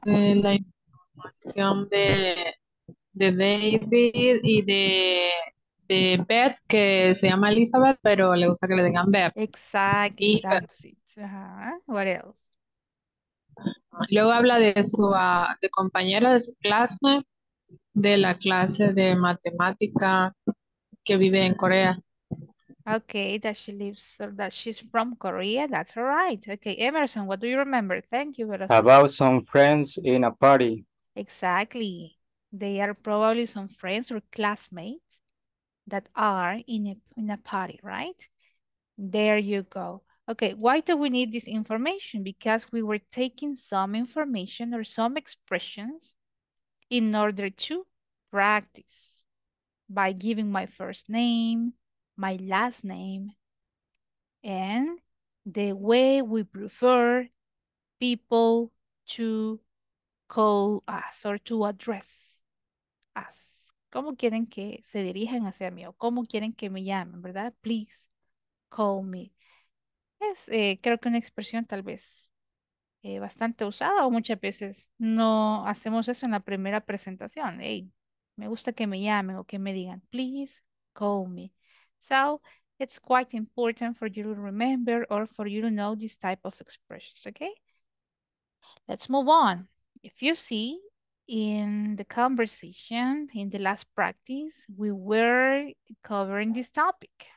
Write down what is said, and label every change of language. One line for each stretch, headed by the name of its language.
Spanish: De la información de David y de Beth, que se llama Elizabeth, pero le gusta que le digan Beth.
English: Exactly,
Spanish: Y
English: that's it. Uh-huh. What else?
Spanish: Luego habla de su de compañera de su clase, de la clase de matemática que vive en Corea.
English: Okay, that she lives, or that she's from Korea. That's all right. Okay, Emerson, what do you remember? Thank you, Verasco. About some friends in a party. Exactly. They are probably some friends or classmates that are in a party, right? There you go. Okay, why do we need this information? Because we were taking some information or some expressions in order to practice by giving my first name, my last name, and the way we prefer people to call us or to address us.
Spanish: ¿Cómo quieren que se dirijan hacia mí? ¿Cómo quieren que me llamen, verdad?
English: Please call me.
Spanish: Es creo que una expresión tal vez bastante usada, o muchas veces no hacemos eso en la primera presentación. Hey, me gusta que me llamen o que me digan,
English: please call me. So, it's quite important for you to remember or for you to know this type of expressions, okay? Let's move on. If you see in the conversation, in the last practice, we were covering this topic.